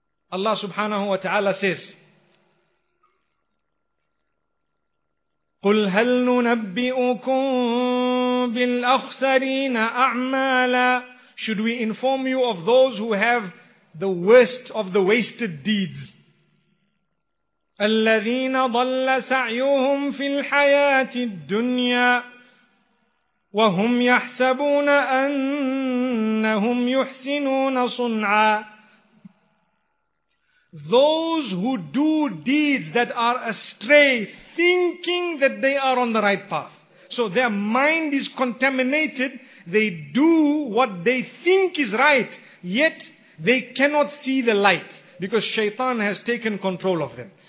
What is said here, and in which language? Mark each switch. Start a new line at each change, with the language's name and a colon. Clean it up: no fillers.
English: Allah subhanahu wa ta'ala says,
Arabic: قُلْ هَلْ نُنَبِّئُكُمْ بِالْأَخْسَرِينَ أَعْمَالًا.
English: Should we inform you of those who have the worst of the wasted deeds?
Arabic: الذين ضل سعيهم في الحياة الدنيا وهم يحسبون أنهم يحسنون صنعا.
English: Those who do deeds that are astray, thinking that they are on the right path. So their mind is contaminated. They do what they think is right, yet they cannot see the light because Shaitan has taken control of them.